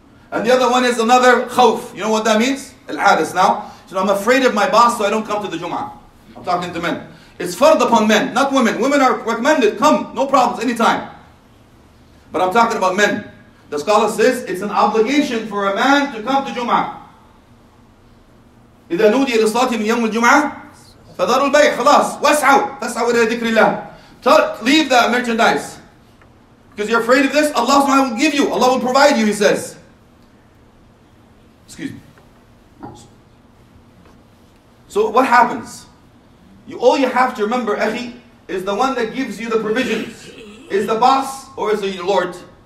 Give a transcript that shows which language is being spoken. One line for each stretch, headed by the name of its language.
English: And the other one is another khawf. You know what that means? Al-adis now. So I'm afraid of my boss, so I don't come to the Jum'ah. I'm talking to men. It's fard upon men, not women. Women are recommended. Come, no problems, anytime. But I'm talking about men. The scholar says it's an obligation for a man to come to Jum'ah.
Arabic: إِذَا نُودِيَ لِصَلَاتِ مِنْ يَوْمُ الْجُمْعَةِ فَذَرُوا الْبَيْءِ خَلَاصْ وَاسْعَوْا فَاسْعَوْا إِلَى ذِكْرِ اللَّهِ
English: Leave the merchandise. Because you're afraid of this, Allah SWT will give you. Allah will provide you, he says. Excuse me. So what happens? All you have to remember, أخي, is the one that gives you the provisions. Is the boss. Or is it your Lord?